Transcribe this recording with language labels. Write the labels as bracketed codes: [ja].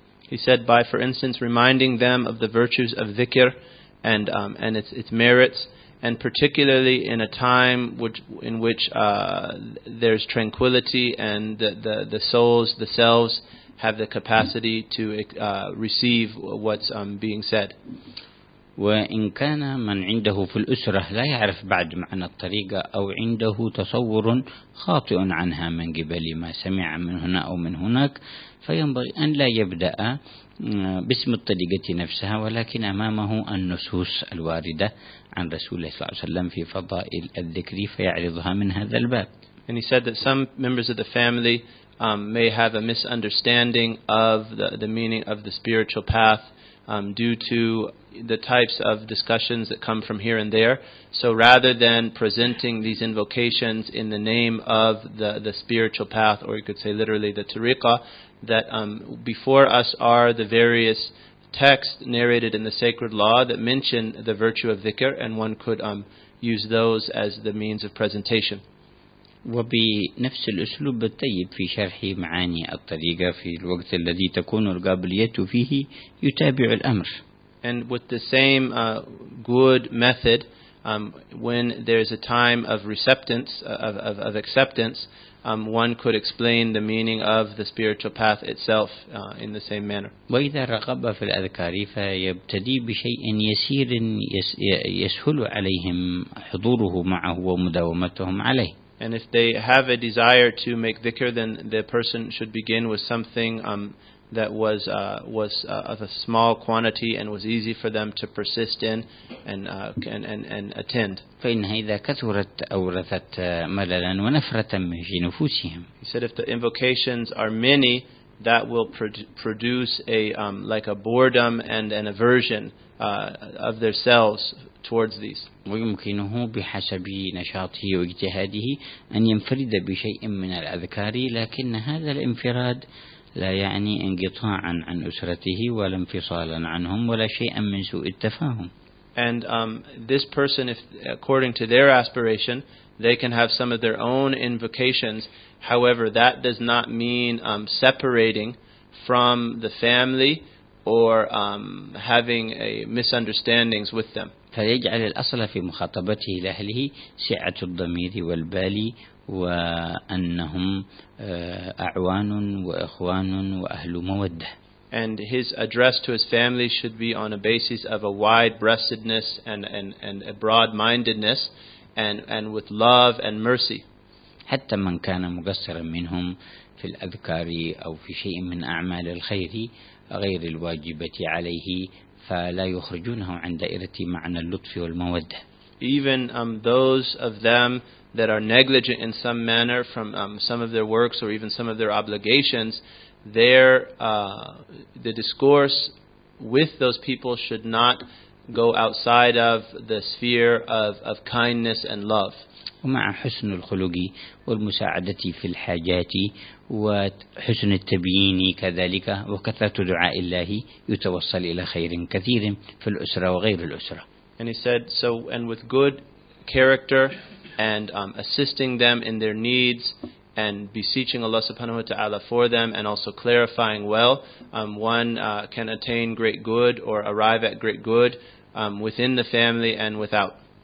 [en] He said, by, for instance, reminding them of the virtues of dhikr and its merits, and particularly in a time in which there's tranquility and the souls, the selves, have the capacity to receive what's being said. [ar] وإن كان من عنده في الأسرة لا يعرف بعد معنى الطريقة أو عنده تصور خاطئ عنها من قبل ما سمع من هنا أو من هناك، فينبغي أن لا يبدأ باسم الطريقة نفسها، ولكن أمامه النصوص الواردة عن رسول الله صلى الله عليه وسلم في فضائل الذكر فيعرضها من هذا الباب. [en] And he said that some members of the family may have a misunderstanding of the meaning of the spiritual path due to the types of discussions that come from here and there. So rather than presenting these invocations in the name of the spiritual path, or you could say literally the tariqah, that before us are the various texts narrated in the sacred law that mention the virtue of dhikr, and one could use those as the means of presentation. [ar] وبنفس الأسلوب الطيب في شرح معاني الطريقة في الوقت الذي تكون القابلية فيه يتابع الأمر. [en] And with the same good method, when there is a time of receptance of acceptance, one could explain the meaning of the spiritual path itself in the same manner. [ar] وإذا رغب في الأذكار فيبتدي بشيء يسير يسهل عليهم حضوره معه ومداومتهم عليه. [en] And if they have a desire to make dhikr, then the person should begin with something that was of a small quantity and was easy for them to persist in and attend. [ar] فإن هذا كثرت أورثت مللا ونفرة من نفوسهم. [en] He said if the invocations are many, that will produce a boredom and aversion of themselves towards these. [ar] ويمكنه بحسب نشاطه واجتهاده أن ينفرد بشيء من الأذكار، لكن هذا الانفراد لا يعني انقطاعا عن أسرته ولا انفصالا عنهم ولا شيئا من سوء التفاهم. [en] And this person, if according to their aspiration, they can have some of their own invocations. However, that does not mean separating from the family or having a misunderstandings with them. [ar] فيجعل الأصل في مخاطبته لأهله سعة الضمير والبال وأنهم أعوان وإخوان وأهل مودة. [en] And his address to his family should be on a basis of a wide-breastedness and a broad-mindedness and with love and mercy. [ar] حتى من كان مقصرا منهم في الأذكار أو في شيء من أعمال الخير غير الواجبة عليه فلا يخرجونه عن دائرة معنى اللطف والمودة. [en] Even those of them that are negligent in some manner from some of their works or even some of their obligations, the discourse with those people should not go outside of the sphere of kindness and love. [ar] ومع حسن الخلق والمساعدة في الحاجات وحسن التبيين كذلك وكثرة دعاء الله يتوصل إلى خير كثير في الأسرة وغير الأسرة. [en] And he said, so and with good character and assisting them in their needs and beseeching Allah subhanahu wa ta'ala for them and also clarifying well, one can attain great good or arrive at great good within the family and without.